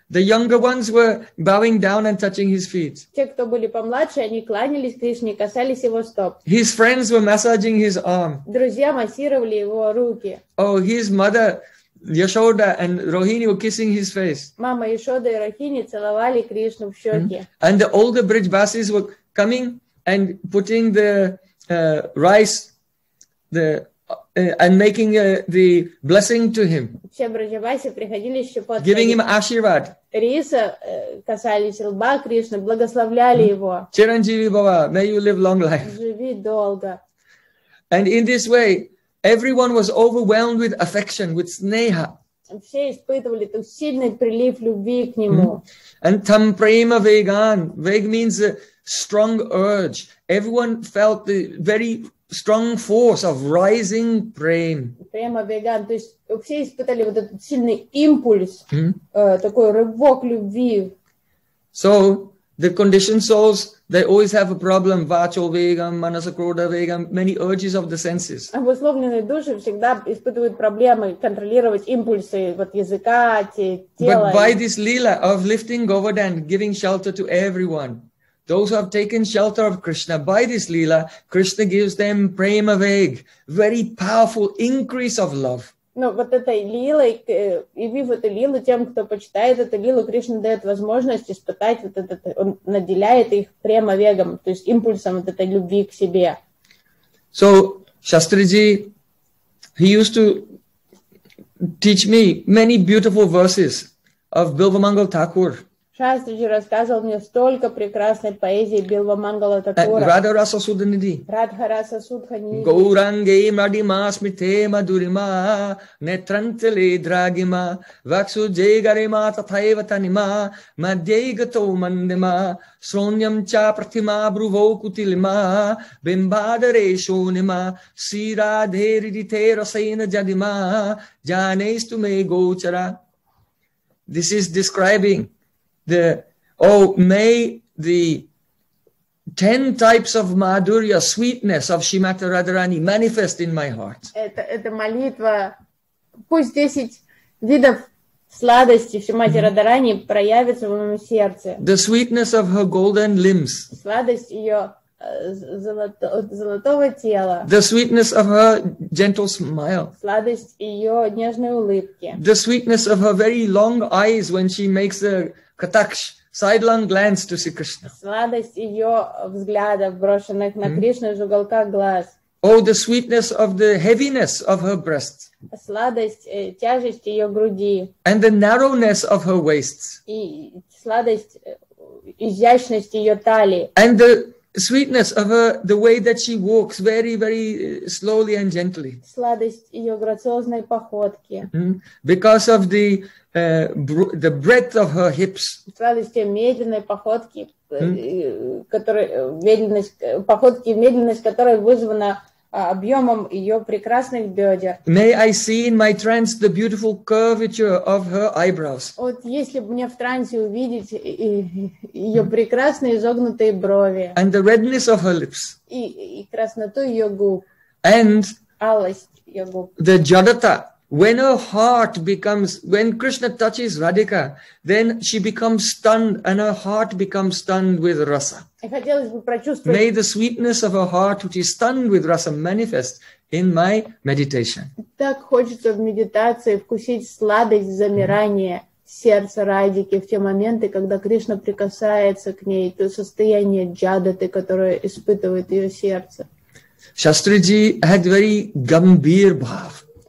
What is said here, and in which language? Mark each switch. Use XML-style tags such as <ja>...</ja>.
<en>The younger ones were bowing down and touching his feet.</en> <ru>Те, кто были помладше, они кланялись Кришне, касались его стоп.</ru> <en>His friends were massaging his arm.</en> <ru>Друзья массировали его руки.</ru> <en>Oh, his mother Yashoda and Rohini were kissing his face.</en> <ru>Мама Яшода и Рохини целовали Кришну в щеки.</ru> <en>And the older Brijbasis were coming and putting the rice, the and making the blessing to him.</en> <ru>Все браджабасы приходили еще под.</ru> <en>Giving him ашивад.</en> <ru>Риса касались лба Кришны, благословляли его.</ru> <sa>Чирандживи Бхава,</sa> <en>may you live long life.</en> <ru>Живи долго.</ru> <en>And in this way, everyone was overwhelmed with affection, with sneha.</en> <ru>Все испытывали тот сильный прилив любви к нему.</ru> <en>And</en> <sa>tam prema vegan.</sa> <en>Veg means a strong urge. Everyone felt the very strong force of rising prem.</en> <sa>Prema vegan.</sa> <ru>То есть все испытали вот этот сильный импульс, такой рывок любви.</ru> <en>So the conditioned souls, they always have a problem.</en> <sa>Vacho vegan, manasa krodha vegan,</sa> <en>many urges of the senses.</en> <ru>Обусловленные души всегда испытывают проблемы контролировать импульсы вот языка, тела.</ru> <en>But by this lila of lifting Govardhan, giving shelter to everyone, those who have taken shelter of Krishna, by this lila, Krishna gives them prema veg, very powerful increase of love.</en> <ru>Но вот этой лилой, явив эту лилу тем, кто почитает эту лилу, Кришна дает возможность испытать вот этот, он наделяет их према вегом, то есть импульсом вот этой любви к себе.</ru> <en>So, Shastriji, he used to teach me many beautiful verses of Bilva Mangala Thakur.</en> <ru>Shastriji рассказывал мне столько прекрасной поэзии Билва Мангала Такура.</ru> <sa>Радха раса судханиди. Радха раса судханиди. Гауранге мрадима смите мадурима нетрантеле драгима ваксу джегарима татхаева танима мадьегато мандима сроньям ча пратима бруво кутилима бимбадаре шонима сира дхеридите расейна джадима джанейстуме гочара.</sa> <en>This is describing may the 10 types of madhurya, sweetness of Shrimati Radharani manifest in my heart.</en> <ru>Это молитва. Пусть 10 видов сладости Шримати Радарани проявится в моем сердце.</ru> <en>The sweetness of her golden limbs.</en> <ru>Сладость ее золотого тела.</ru> <en>The sweetness of her gentle smile.</en> <ru>Сладость ее нежной улыбки.</ru> <en>The sweetness of her very long eyes when she makes a Katakash, sidelong glance to see Krishna.</en> <ru>Сладость ее взглядов, брошенных на Кришну из уголка глаз.</ru> <en>Oh, the sweetness of the heaviness of her breast.</en> <ru>Сладость тяжесть ее груди.</ru> <en>And the narrowness of her waists.</en> <ru>И сладость изящность ее талии.</ru> <en>And the sweetness of her, the way that she walks very, very slowly and gently.</en> <ru>Сладость ее грациозной походки.</ru> <en>Because of the breadth of her hips.</en> <ru>Сладость ее медленной походки, походки, медленность которой вызвана объемом ее прекрасных бедер.</ru> <en>May I see in my trance the beautiful curvature of her eyebrows.</en> <ru>Вот если бы мне в трансе увидеть ее прекрасные изогнутые брови.</ru> <en>And the redness of her lips.</en> <ru>И красноту ее губ.</ru> <en>And</en> <ru>алость ее губ.</ru> <en>The jadata. When her heart becomes, when Krishna touches Radhika, then she becomes stunned and her heart becomes stunned with rasa. May the sweetness of her heart, which is stunned with rasa, manifest in my meditation.</en> <ru>Так хочется в медитации вкусить сладость замирания сердца Радики в те моменты, когда Кришна прикасается к ней, то состояние джадаты, которое испытывает ее сердце.</ru> <en>Shastriji had very gambhir bhav.</en>